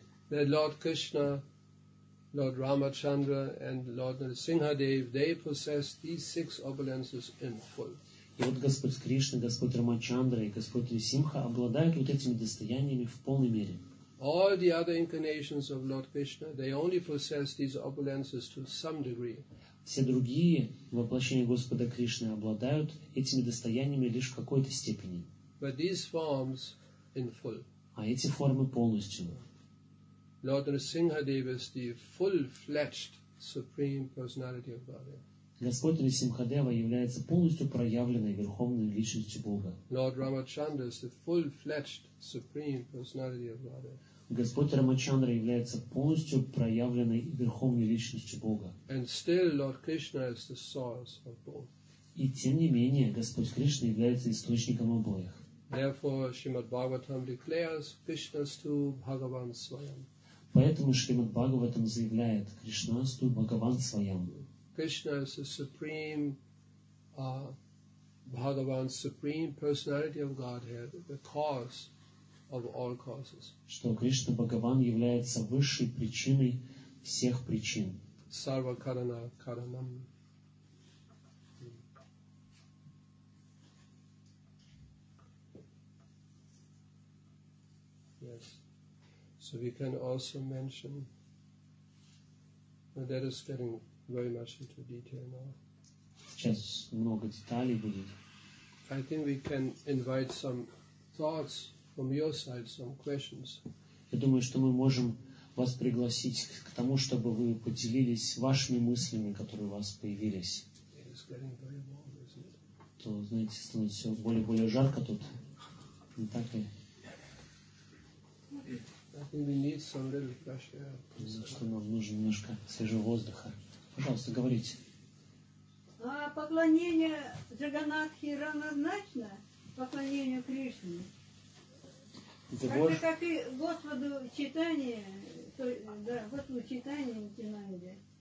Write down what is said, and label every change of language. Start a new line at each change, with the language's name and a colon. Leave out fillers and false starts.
English: That Lord Krishna, Lord Ramachandra, and Lord Narasimhadev, they possess these six opulences in full.
Russian: И вот Господь Кришна, Господь Рамачандра и Господь Нарасимха обладают вот этими достояниями в полной мере.
English: All the other incarnations of Lord Krishna, they only possess these opulences to some degree.
Russian: Все другие воплощения Господа Кришны обладают этими достояниями лишь в какой-то степени.
English: But these forms in full.
Russian: А эти формы полностью.
English: Lord Nrisimhadev is the full-fledged supreme personality of Godhead.
Russian: Господь Нрисимхадева является полностью проявленной верховной личностью Бога.
English: Lord Ramachandra is the full-fledged supreme personality of Godhead.
Russian: Господь Рамачандра является полностью проявленной верховной личностью Бога.
English: And still Lord Krishna is the source of both.
Russian: И тем не менее Господь Кришна является источником обоих.
English: Therefore Shrimad Bhagavatam declares
Sanskrit: Krishnastu Bhagavan Swayam.
Russian: Поэтому Шримад Бхагаватам заявляет
Sanskrit: Кришнасту Бхагаван Свайам.
English: Кришна is the supreme Bhagavan, supreme personality of Godhead, the cause of all causes.
Russian: Что Кришна Бхагаван является высшей причиной всех причин.
Sanskrit: Сарва карана каранам.
English: So we can also mention, well, that is getting very much into detail now.
Russian: Сейчас много деталей будет.
English: I think we can invite some thoughts from your side, some questions.
Russian: Я думаю, что мы можем вас пригласить к тому, чтобы вы поделились вашими мыслями, которые у вас появились.
English: It is getting very warm, isn't it?
Russian: То, знаете, становится все более-более жарко тут. Не так ли?
English: I think we need some little fresh air.
Russian: За что нам нужно немножко свежего воздуха. Пожалуйста, говорите. А поклонение Джаганатхи равнозначно поклонению Кришне? Как и Господу Читания, да, Господу Читания Нитинанде.